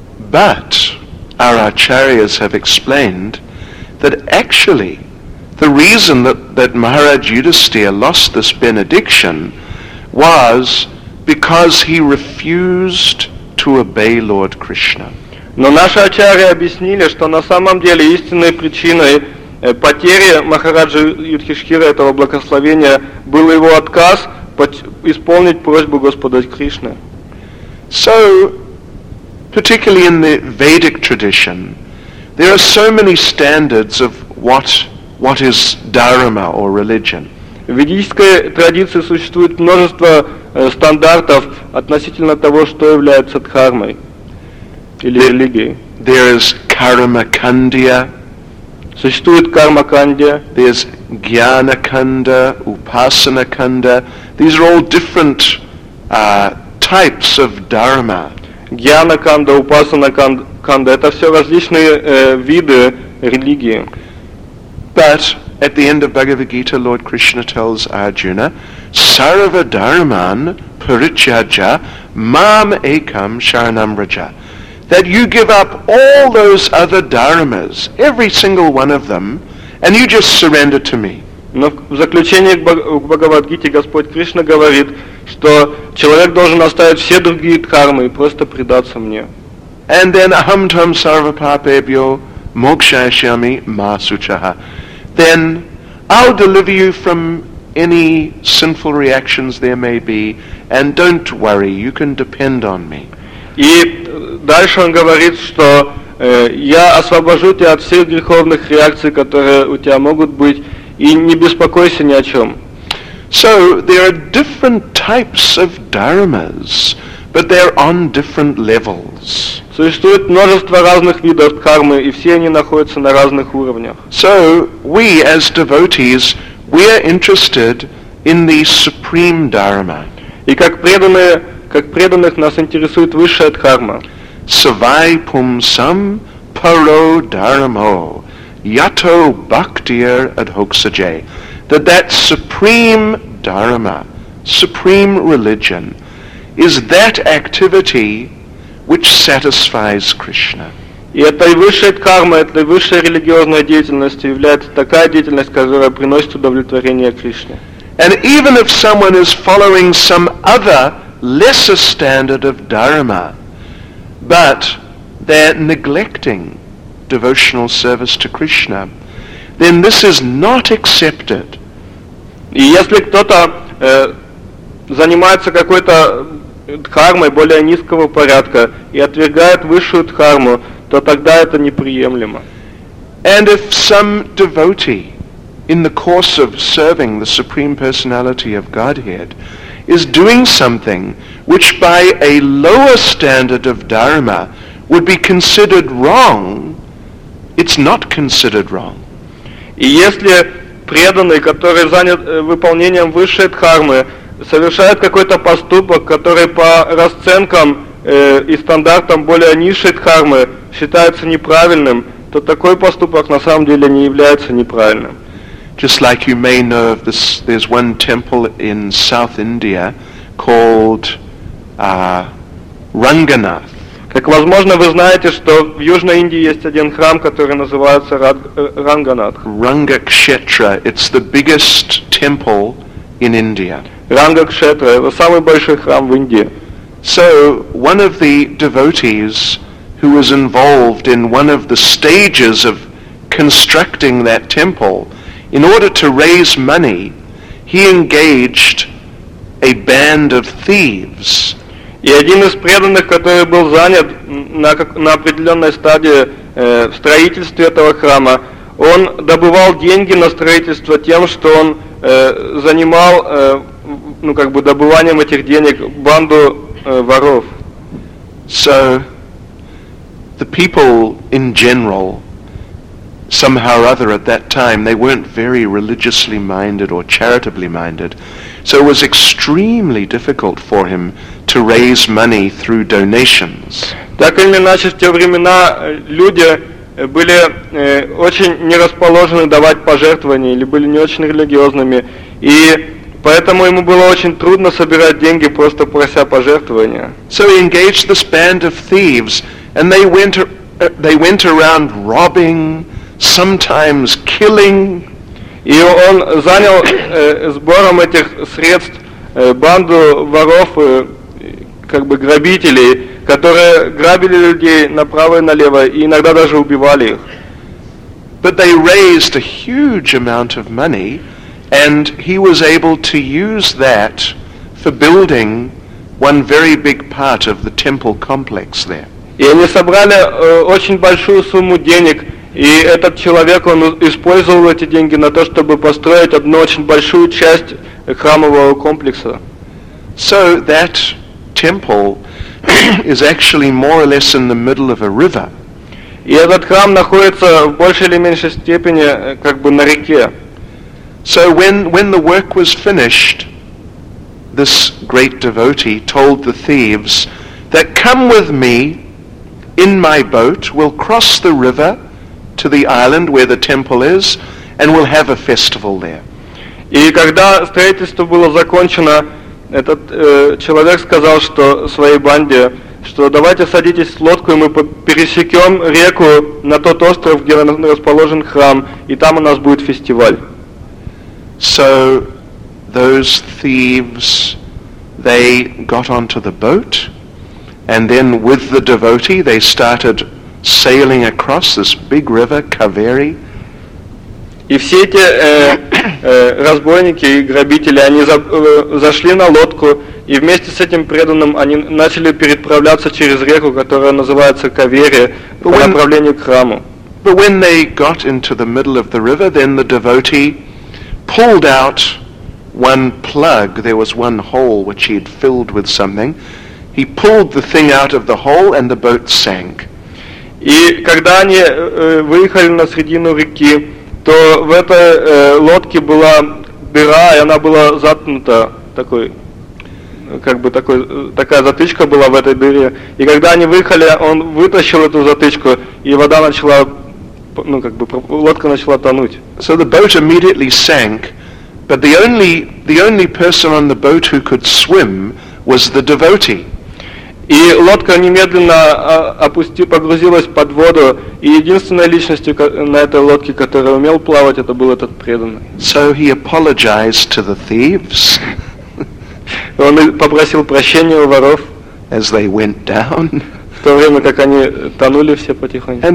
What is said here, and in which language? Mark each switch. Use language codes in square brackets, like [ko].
[en] But our acharyas have explained that actually the reason that Maharaj Yudhisthira lost this benediction was because he refused to obey Lord Krishna. [ru] Но наши ачарьи объяснили, что на самом деле истинной причиной потери Махараджи Юдхиштхира этого благословения был его отказ исполнить просьбу Господа Кришны. [en] So, particularly in the Vedic tradition, there are so many standards of what is dharma or religion. [ru] В ведической традиции существует множество стандартов относительно того, что является дхармой или религией. [en] There is karma kandya. [ru] Существует карма кандя. [en] There's jnana kanda, upasana kanda. These are all different types of dharma. [sa] Jnana kanda, upasana kanda. [ru] Это все различные виды религии. [en] But at the end of Bhagavad Gita, Lord Krishna tells Arjuna, [sa] sarva dharman parichaja mam ekam sharanam raja. [en] That you give up all those other dharmas, every single one of them, and you just surrender to me. [ru] Но в заключение к Бхагавадгите Господь Кришна говорит, что человек должен оставить все другие дхармы и просто предаться мне. [en] And then [sa] aham tam sarva papebhyo mokshayishyami ma suchaha. [en] Then I'll deliver you from any sinful reactions there may be, and don't worry, you can depend on me. [ru] И дальше он говорит, что я освобожу тебя от всех греховных реакций, которые у тебя могут быть, и не беспокойся ни о чем. [en] So there are different types of dharmas, but they're on different levels. [ru] Существует множество разных видов кармы, и все они находятся на разных уровнях. [en] So we as devotees, we are interested in the supreme dharma. [ru] И как преданных нас интересует высшая дхарма. [sa] Savai pumsam paro dharmo yato bhaktir adhoksaje. [en] That supreme dharma, supreme religion, is that activity which satisfies Krishna. [ru] И эта высшая дхарма, эта высшая религиозная деятельность является такая деятельность, которая приносит удовлетворение Кришне. [en] And even if someone is following some other lesser standard of dharma, but they're neglecting devotional service to Krishna, then this is not accepted. [ru] И если кто-то занимается какой-то дхармой более низкого порядка и отвергает высшую дхарму, то тогда это неприемлемо. [en] And if some devotee in the course of serving the Supreme Personality of Godhead is doing something which by a lower standard of dharma would be considered wrong, it's not considered wrong. [ru] И если преданный, который занят выполнением высшей дхармы, совершает какой-то поступок, который по расценкам и стандартам более низшей дхармы считается неправильным, то такой поступок на самом деле не является неправильным. [en] Just like you may know of this, there's one temple in South India called Ranganath. [ru] Как возможно, вы знаете, что в Южной Индии есть один храм, который называется Ранганат. Ранга-кшетра. [en] It's the biggest temple in India. [ru] Ранга-кшетра. Это самый большой храм в Индии. [en] So, one of the devotees who was involved in one of the stages of constructing that temple, in order to raise money, he engaged a band of thieves. [ru] И один из преданных, который был занят на определенной стадии в строительстве этого храма, он добывал деньги на строительство тем, что он занимал, ну как бы добыванием этих денег, банду воров. [en] So, the people in general, somehow or other at that time, they weren't very religiously minded or charitably minded, so it was extremely difficult for him to raise money through donations. [ru] Так или иначе, в те времена люди были очень не расположены давать пожертвования или были не очень религиозными, и поэтому ему было очень трудно собирать деньги, просто прося пожертвования. [en] So he engaged this band of thieves, and they went around robbing, sometimes killing. [ru] И он занял сбором этих средств банду воров, как бы грабителей, которые грабили людей направо и налево, и иногда даже убивали их. [en] But they raised a huge amount of money, and he was able to use that for building one very big part of the temple complex there. [ru] И они собрали очень большую сумму денег, и этот человек, он использовал эти деньги на то, чтобы построить одну очень большую часть храмового комплекса. [en] So that temple is actually more or less in the middle of a river. [ru] И этот храм находится в большей или меньшей степени как бы на реке. [en] So when the work was finished, this great devotee told the thieves that come with me in my boat, we'll cross the river to the island where the temple is, and we'll have a festival there. [ru] И когда строительство было закончено, этот человек сказал, что своей банде, что давайте садитесь в лодку, и мы пересекем реку на тот остров, где расположен храм, и там у нас будет фестиваль. [en] So those thieves, they got onto the boat, and then with the devotee they started sailing across this big river Kaveri. [ru] И все эти разбойники и грабители, они зашли на лодку, и вместе с этим преданным они начали переправляться через реку, которая называется Кавери, по направлению к храму. [en] But when they got into the middle of the river, then the devotee pulled out one plug, there was one hole which he had filled with something. He pulled the thing out of the hole and the boat sank. [ru] И когда они выехали на середину реки, то в этой лодке была дыра, и она была заткнута такой, как бы такой, такая затычка была в этой дыре. И когда они выехали, он вытащил эту затычку, и вода начала, ну как бы лодка начала тонуть. [en] So the boat immediately sank, but the only person on the boat who could swim was the devotee. [ru] И лодка немедленно погрузилась под воду, и единственной личностью на этой лодке, которая умел плавать, это был этот преданный. [en] So he apologized to the thieves. [ru] Он попросил прощения у воров. [en] As they went down. [ru] В то время как они тонули все потихоньку.